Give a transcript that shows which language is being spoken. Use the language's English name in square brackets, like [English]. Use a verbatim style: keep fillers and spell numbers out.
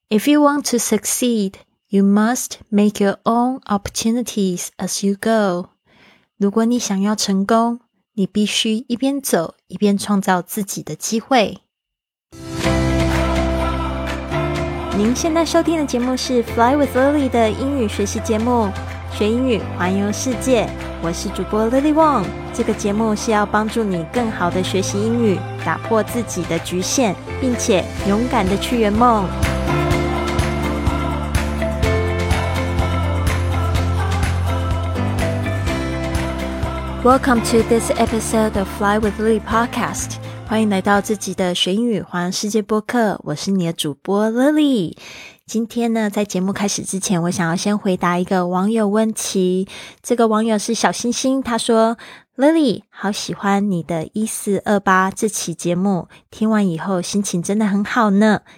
[English] If you want to succeed, you must make your own opportunities as you go. [Chinese] 如果你想要成功，你必须一边走，一边创造自己的机会。您现在收听的节目是 Fly with Lily 的英语学习节目，学英语环游世界。我是主播 Lily Wong。这个节目是要帮助你更好的学习英语，打破自己的局限，并且勇敢的去圆梦。 [English] Welcome to this episode of Fly with Lily podcast. [Chinese] 欢迎来到自己的学英语环世界播客，我是你的主播 Lily。今天呢，在节目开始之前，我想要先回答一个网友问题。这个网友是小星星，他说 Lily 好喜欢你的一四二八这期节目，听完以后心情真的很好呢。